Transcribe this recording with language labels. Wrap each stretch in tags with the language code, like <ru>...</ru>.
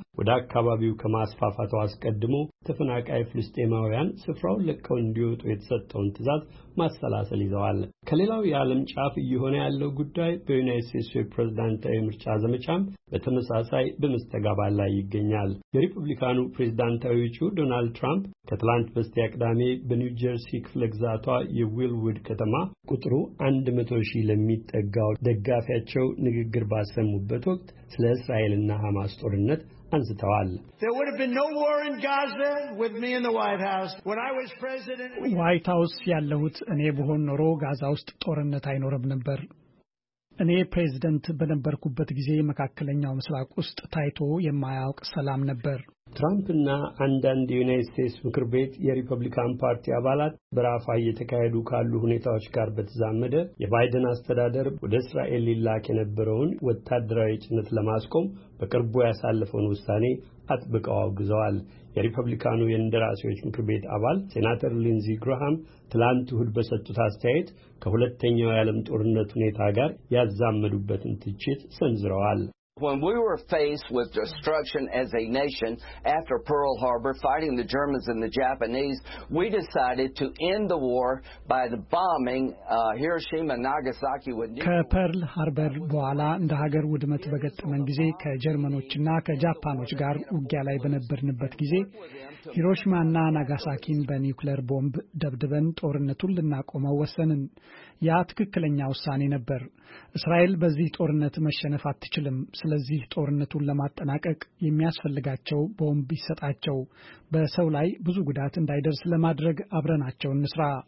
<am>ወደ አካባቢው ከማስፋፋቷ አስቀድሞ ተፈናቃይ ፍልስጤማውያን ስፍራውን ለቀው እንዲወጡ የተሰጠውን ትዕዛዝ ማሰላሰል ይዘዋል። ከሌላው የዓለም ጫፍ እየሆነ ያለው ጉዳይ በዩናይት ስቴትስ ፕሬዝዳንታዊ ምርጫ ዘመቻም በተመሳሳይ በመስተጋባል ላይ ይገኛል። የሪፐብሊካኑ ፕሬዝዳንታዊ እጩ ዶናልድ ትራምፕ ከትላንት በስቲያ ቅዳሜ በኒው ጀርሲ ክፍለ ግዛቷ የዊልውድ ከተማ ቁጥሩ 100 ሺህ ለሚጠጋው ደጋፊያቸው ንግግር ባሰሙበት ወቅት ስለ እስራኤልና ሐማስ ጦርነት አንስተዋል።</am> <en>There would have been no war in Gaza with me in the White House. When I was president,</en> <am>White House ያለሁት እኔ ብሆን ኖሮ ጋዛ ውስጥ ጦርነት አይኖርም ነበር። እኔ ፕሬዝዳንት በነበርኩበት ጊዜ መካከለኛው ምስራቅ ውስጥ ታይቶ የማያውቅ ሰላም ነበር። ትራምፕና አንዳንድ የዩናይትድ ስቴትስ ምክር ቤት የሪፐብሊካን ፓርቲ አባላት በራፋ እየተካሄዱ ካሉ ሁኔታዎች ጋር በተዛመደ የባይደን አስተዳደር ወደ እስራኤል ሊላክ የነበረውን ወታደራዊ ጭነት ለማስቆም በቅርቡ ያሳለፈውን ውሳኔ አጥብቀው አውግዘዋል። የሪፐብሊካኑ የእንደራሴዎች ምክር ቤት አባል ሴናተር ሊንዚ ግራሃም ትላንት እሁድ በሰጡት አስተያየት ከሁለተኛው የዓለም ጦርነት ሁኔታ ጋር ያዛመዱበትን ትችት ሰንዝረዋል።</am> <en>When we were faced with destruction as a nation after Pearl Harbor, fighting the Germans and the Japanese, we decided to end the war by the bombing Hiroshima and Nagasaki with nuclear.</en> <am>ከፐርል ሃርበር በኋላ እንደ ሀገር ውድመት በገጠመን ጊዜ ከጀርመኖችና ከጃፓኖች ጋር ውጊያ ላይ በነበርንበት ጊዜ ሂሮሺማና ናጋሳኪን በኒውክሌር ቦምብ ደብድበን ጦርነቱን ልናቆመው ወሰንን። ያ ትክክለኛ ውሳኔ ነበር። እስራኤል በዚህ ጦርነት መሸነፍ አትችልም። ስለዚህ ጦርነቱን ለማጠናቀቅ የሚያስፈልጋቸው ቦምብ ይሰጣቸው፣ በሰው ላይ ብዙ ጉዳት እንዳይደርስ ለማድረግ አብረናቸው እንስራ።</am>